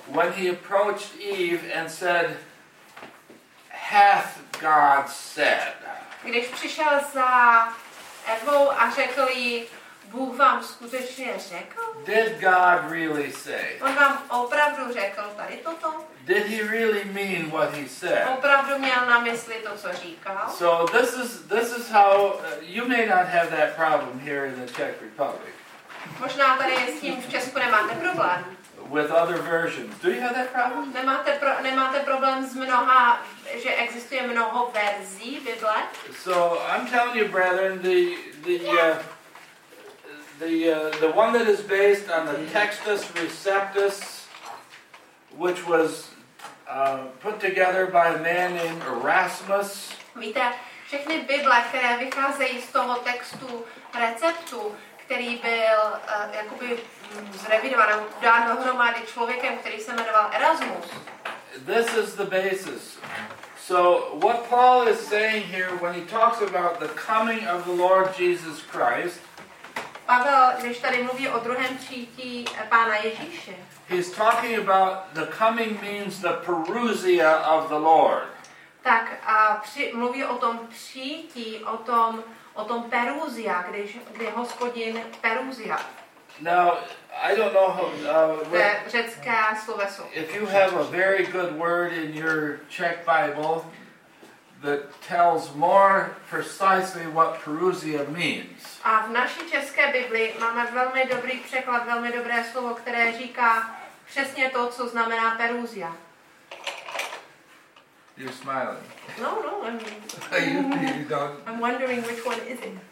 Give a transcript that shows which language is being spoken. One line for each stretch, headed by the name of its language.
English: When he approached Eve and said, "Hath God said?"
Czech: Když přišel za Evou a řekl jí, Bůh vám skutečně řekl?
English: Did God really say?
Czech: On vám opravdu řekl tady toto?
English: Did he really mean what he said?
Czech: Opravdu měl na mysli to, co říkal?
English: So this is how you may not have that problem here in the Czech Republic.
Czech: Možná tady s tím v Česku nemáte problém.
English: With other versions. Do you have that problem?
Czech: Nemáte problém s mnoha, že existuje mnoho verzí Bible?
English: So I'm telling you, brethren, the one that is based on the Textus Receptus, which was put together by a man named Erasmus.
Czech: Víte, všechny Bible, které vycházejí z toho textu receptu, který byl zrevidován, dán dohromady člověkem, který se jmenoval Erasmus.
English: This is the basis. So what Paul is saying here when he talks about the coming of the Lord Jesus Christ,
Czech: Pavel, když tady mluví o druhém přijetí Pána Ježíše.
English: He's talking about the coming means the parousia of the Lord.
Czech: Tak a mluví o tom přijetí, o tom parousia, kde Hospodin parousia.
English: Now, I don't know
Czech: řecké sloveso.
English: If you have a very good word in your Czech Bible that tells more precisely what parousia means.
Czech: A v naší české Bibli máme velmi dobrý překlad, velmi dobré slovo, které říká přesně to, co znamená parousia.
English: You're smiling. No, I'm wondering which one is it.